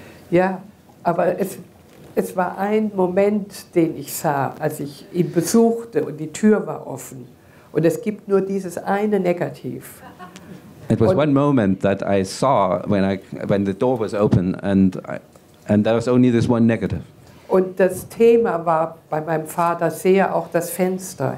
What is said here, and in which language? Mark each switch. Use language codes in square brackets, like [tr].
[de] Ja, aber es war ein Moment, den ich sah, als ich ihn besuchte und die Tür war offen. Und es gibt nur dieses eine Negativ. [en] It was one moment that I saw when the door was open and there was only this one negative. [de] Und das Thema war bei meinem Vater sehr auch das Fenster.